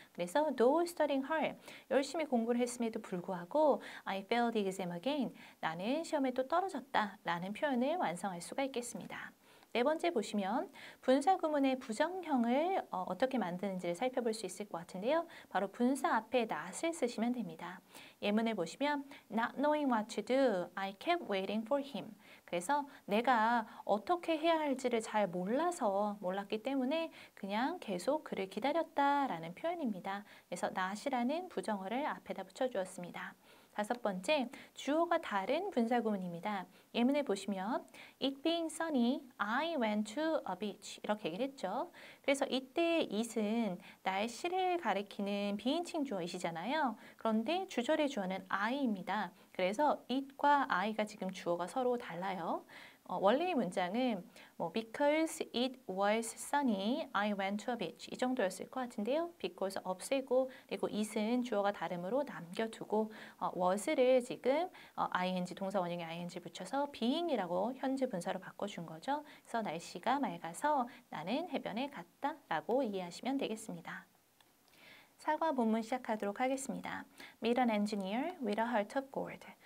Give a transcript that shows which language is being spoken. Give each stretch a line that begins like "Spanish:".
Korean: 그래서
English: no studying hard.
Korean: 열심히 공부를 했음에도 불구하고
English: I failed the exam again.
Korean: 나는 시험에 또 떨어졌다라는 표현을 완성할 수가 있겠습니다. 네 번째 보시면 분사 구문의 부정형을 어떻게 만드는지를 살펴볼 수 있을 것 같은데요. 바로 분사 앞에 not을 쓰시면 됩니다. 예문을 보시면
English: not knowing what to do, I kept waiting for him.
Korean: 그래서 내가 어떻게 해야 할지를 잘 몰랐기 때문에 그냥 계속 그를 기다렸다라는 표현입니다. 그래서 not이라는 부정어를 앞에다 붙여주었습니다. 다섯 번째, 주어가 다른 분사 구문입니다. 예문을 보시면,
English: It being sunny, I went to a beach.
Korean: 이렇게 얘기를 했죠. 그래서 이때 it은 날씨를 가리키는 비인칭 주어이시잖아요. 그런데 주절의 주어는 I입니다. 그래서 it과 I가 지금 주어가 서로 달라요. 원래의 문장은 뭐
English: because it was sunny, I went to a beach
Korean: 이 정도였을 것 같은데요. because 없애고 그리고 is는 주어가 다름으로 남겨두고 was를 지금 ing 동사 원형에 ing 붙여서 being이라고 현재 분사로 바꿔준 거죠. 그래서 날씨가 맑아서 나는 해변에 갔다라고 이해하시면 되겠습니다. 사과 본문 시작하도록 하겠습니다.
English: Meet an engineer with a heart of gold.